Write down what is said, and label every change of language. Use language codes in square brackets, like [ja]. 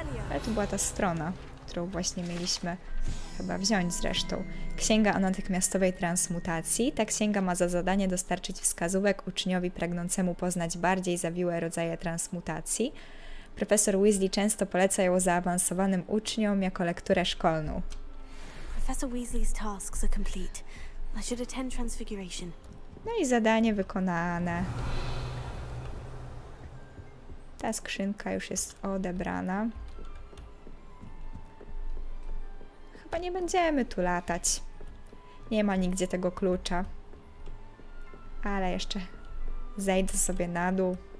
[pl] Ale to była ta strona, którą właśnie mieliśmy chyba wziąć zresztą. Księga o natychmiastowej transmutacji. Ta księga ma za zadanie dostarczyć wskazówek uczniowi pragnącemu poznać bardziej zawiłe rodzaje transmutacji. Profesor Weasley często poleca ją zaawansowanym uczniom jako lekturę szkolną. [en] Professor Weasley's tasks are complete. I should attend transfiguration. [pl] No i zadanie wykonane. Ta skrzynka już jest odebrana. Chyba nie będziemy tu latać. Nie ma nigdzie tego klucza. Ale jeszcze zejdę sobie na dół.